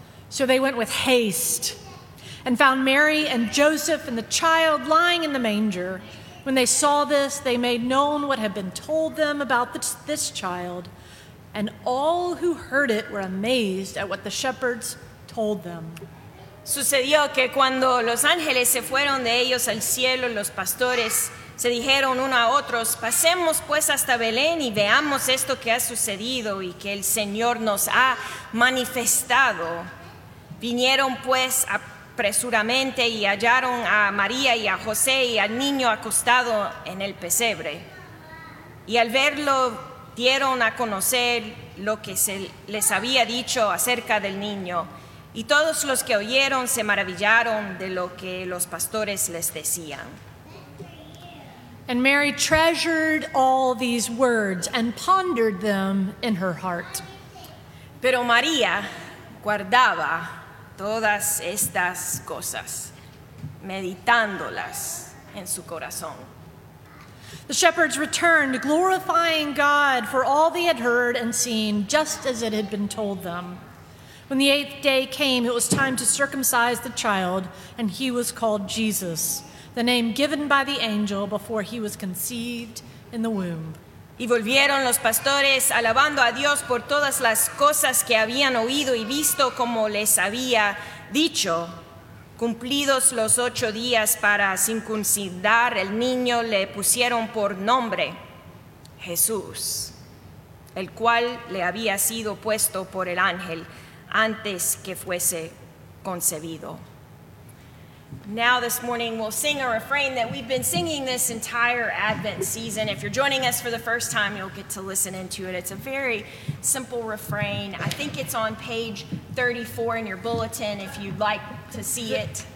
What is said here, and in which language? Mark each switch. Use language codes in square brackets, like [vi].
[en] So they went with haste and found Mary and Joseph and the child lying in the manger. When they saw this, they made known what had been told them about this child, and all who heard it were amazed at what the shepherds told them. [es] Sucedió que cuando los ángeles se fueron de ellos al cielo, los pastores se dijeron uno a otros, pasemos pues hasta Belén y veamos esto que ha sucedido y que el Señor nos ha manifestado. Vinieron pues apresuradamente y hallaron a María y a José y al niño acostado en el pesebre. Y al verlo dieron a conocer lo que se les había dicho acerca del niño. Y todos los que oyeron se maravillaron de lo que los pastores les decían. [en] And Mary treasured all these words and pondered them in her heart. [es] Pero María guardaba todas estas cosas, meditándolas en su corazón. [en] The shepherds returned, glorifying God for all they had heard and seen, just as it had been told them. When the eighth day came, it was time to circumcise the child, and he was called Jesus, the name given by the angel before he was conceived in the womb. [es] Y volvieron los pastores alabando a Dios por todas las cosas que habían oído y visto como les había dicho. Cumplidos los ocho días para circuncidar el niño, le pusieron por nombre Jesús, el cual le había sido puesto por el ángel antes que fuese concebido. [en] Now this morning we'll sing a refrain that we've been singing this entire Advent season. If you're joining us for the first time, you'll get to listen into it. It's a very simple refrain. I think it's on page 34 in your bulletin if you'd like to see it.